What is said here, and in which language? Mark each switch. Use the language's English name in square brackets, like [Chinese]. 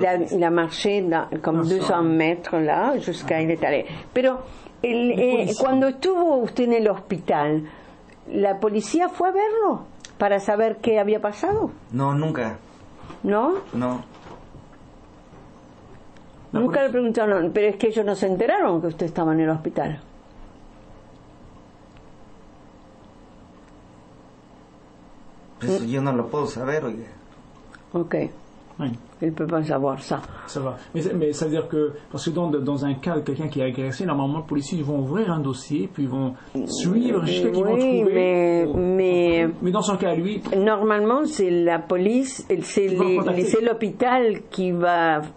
[French] Il a marché dans, comme 200 mètres là jusqu'à il est allé. [Spanish] Pero quand estuvo usted en l'hôpital, la policía fue a verlo para saber qué había pasado? No, nunca. ¿No? No. Nunca le preguntaron, pero es que ellos no se enteraron que usted estaba en el hospital. Pues yo no lo puedo saber, oye. Okay. [French] Oui. Il ne peut pas savoir ça. Ça va. Mais ça veut dire que, parce que dans un cas de quelqu'un qui est agressé, normalement, les policiers vont ouvrir un dossier, puis ils vont suivre jusqu'à ce qu'ils vont trouver. Mais dans son cas, lui. Normalement, c'est la police, c'est l'hôpital qui va